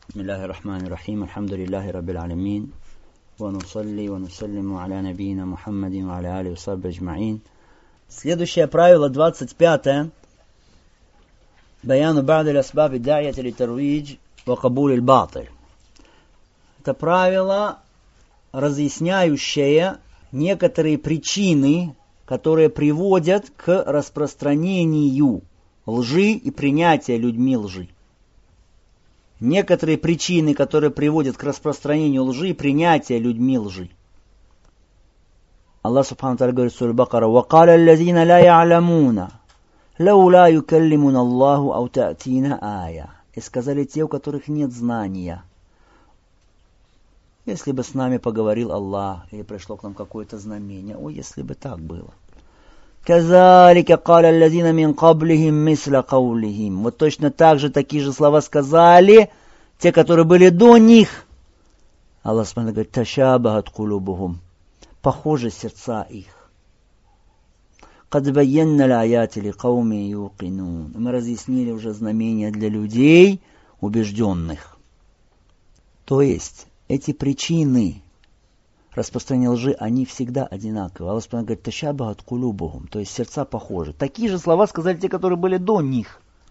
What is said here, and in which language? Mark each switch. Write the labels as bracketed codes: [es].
[ar] بسم الله الرحمن الرحيم الحمد لله رب العالمين ونصلي ونسلم على نبينا محمد وعلى آله وصحبه أجمعين. [ru] Следующее правило 25. [ar] بيان بعض الأسباب الداعية للترويج وقبول الباطل. [ru] Это правило, разъясняющее некоторые причины, которые приводят к распространению лжи и принятию людьми лжи. Некоторые причины, которые приводят к распространению лжи и принятию людьми лжи. Аллах Субхану Тааля говорит в суре Бакара: [ar] وقال الذين لا يعلمون لولا يكلمنا الله أو تأتينا آية. [ru] И сказали те, у которых нет знания: если бы с нами поговорил Аллах или пришло к нам какое-то знамение, о, если бы так было. [ar] كذلك قال الذين من قبلهم مثل قولهم. [ru] Вот точно так же такие же слова сказали те, которые были до них. Аллах Субхану говорит: [ar] تشابهت قلوبهم. [ru] Похожи сердца их. [ar] قد بينا الآيات لقوم يوقنون. [ru] Мы разъяснили уже знамения для людей убежденных. То есть эти причины распространение лжи, они всегда одинаковые. Аллах Субхану говорит: «Тащабахат кулюбухум». То есть сердца похожи. Такие же слова сказали те, которые были до них.